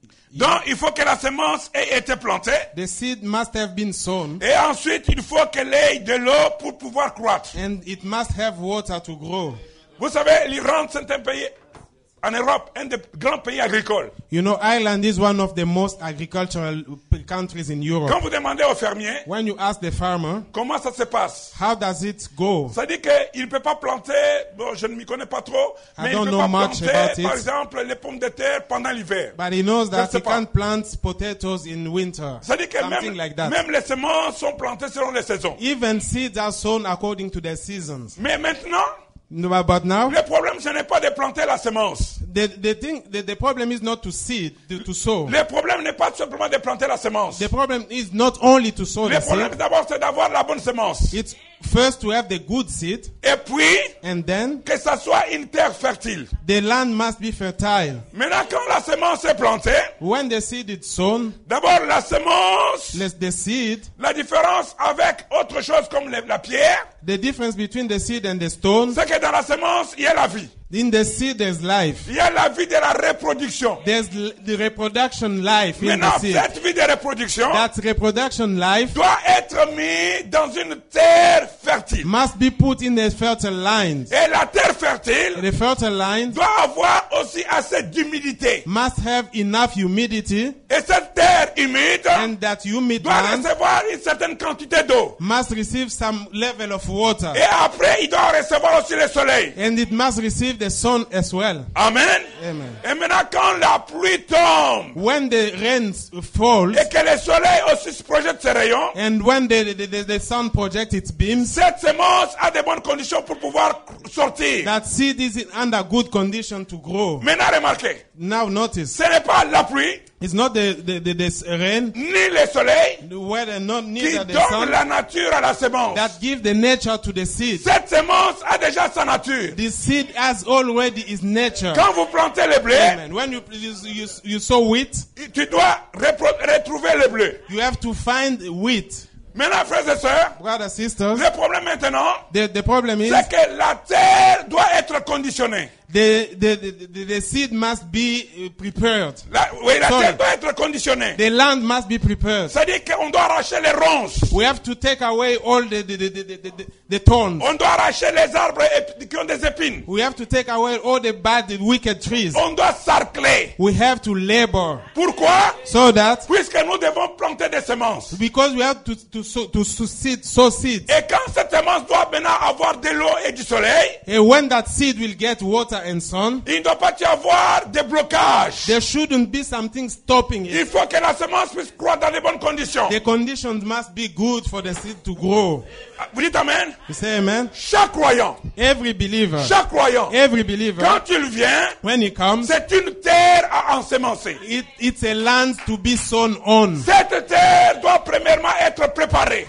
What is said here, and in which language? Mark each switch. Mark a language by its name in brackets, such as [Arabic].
[French] Donc, il faut que la semence ait été plantée. [English] The seed must have been sown. [French] Et ensuite, il faut qu'elle ait de l'eau pour pouvoir croître. [English] And it must have water to grow. [French] Vous savez, l'Irlande, c'est un pays, en Europe, un des grands pays agricoles. [English] You know, Ireland is one of the most agricultural countries in Europe. [French] Quand vous demandez aux fermiers, [English] when you ask the farmer, [French] comment ça se passe? [English] How does it go? [French] Ça dit qu'il ne peut pas planter, bon, je ne m'y connais pas trop, mais il ne peut pas planter, par exemple, les pommes de terre pendant l'hiver. [English] But he knows that he can't plant potatoes in winter. [French] Ça dit que même les semences sont plantées selon les saisons. [English] Even seeds are sown according to the seasons. [French] Mais maintenant, [English] no, but now, [French] le problème ce n'est pas de planter la semence. [English] The problem is not to seed, to sow. [French] Le problème n'est pas simplement de planter la semence. [English] The problem is not only to sow the seed. [French] Le problème d'abord c'est d'avoir la bonne semence. [English] It's First to have the good seed. [French] Et puis, [English] and then, [French] que ça soit une terre fertile. [English] The land must be fertile. [French] Maintenant, quand la semence est plantée, [English] when the seed is sown, [French] d'abord la semence, [English] the seed, [French] la différence avec autre chose comme la pierre, [English] the difference between the seed and the stone, [French] c'est que dans la semence, il y a la vie. [English] In the seed, there's life. [French] Il y a la vie de la reproduction. [English] There's the reproduction life in [French] maintenant, [English] the seed. [French] Cette vie de reproduction, [English] that reproduction life, [French] doit être mis dans une terre fertile. [English] Must be put in the fertile land. [French] Et la terre fertile, [English] the fertile land, [French] doit avoir aussi assez d'humidité. [English] Must have enough humidity. [French] Et cette terre humide, [English] and that humid [French] doit [English] land, [French] recevoir une certaine quantité d'eau. [English] Must receive some level of water. [French] Et après, il doit recevoir aussi le soleil. [English] And it must receive the sun as well. [French] Amen. [English] Amen. [French] Et maintenant, quand la pluie tombe, [English] when the rains fall, [French] et que le soleil aussi se projette ses rayons, [English] and when the sun projects its beams, [French] cette semence a de bonnes conditions pour pouvoir sortir. [English] That seed is under good condition to grow. [French] Maintenant, remarquez. [English] Now notice. [French] Ce n'est pas la pluie. [English] It's not the rain, [French] ni le soleil, [English] the weather, not neither [French] qui donne [English] the sun, [French] la nature à la semence. [English] That gives the nature to the seed. [French] Cette semence a déjà sa nature. [English] The seed has already its nature. [French] Quand vous plantez le blé, [English] amen. When you sow wheat, [French] tu dois retrouver le blé. [English] You have to find wheat. [French] Maintenant, frères et sœurs, [English] brothers, sisters, [French] le problème maintenant, [English] the problem is, [French] c'est que la terre doit être conditionnée. [English] The seed must be prepared. [French] La terre doit être conditionnée. [English] The land must be prepared. [French] C'est-à-dire qu'on doit arracher les ronces. [English] We have to take away all the thorns. [French] On doit arracher les arbres qui ont des épines. [English] We have to take away all the bad, the wicked trees. [French] On doit sarcler. [English] We have to labor. [French] Pourquoi? [English] So that. [French] Puisque nous devons planter des semences. [English] Because we have to sow seeds. [French] Et quand cette semence doit maintenant avoir de l'eau et du soleil. [English] And when that seed will get water. And sun, [French] il ne doit pas y avoir de blocage. [English] There shouldn't be something stopping it. [French] Il faut que la semence puisse croître dans les bonnes conditions. [English] The conditions must be good for the seed to grow. [French] Vous dites amen? [English] You say amen? [French] Chaque croyant, [English] every believer, [French] chaque croyant, [English] every believer, [French] quand il vient, [English] when he comes, [French] c'est une terre à ensemencer. [English] It's a land to be sown on. [French] Cette terre doit premièrement être préparée.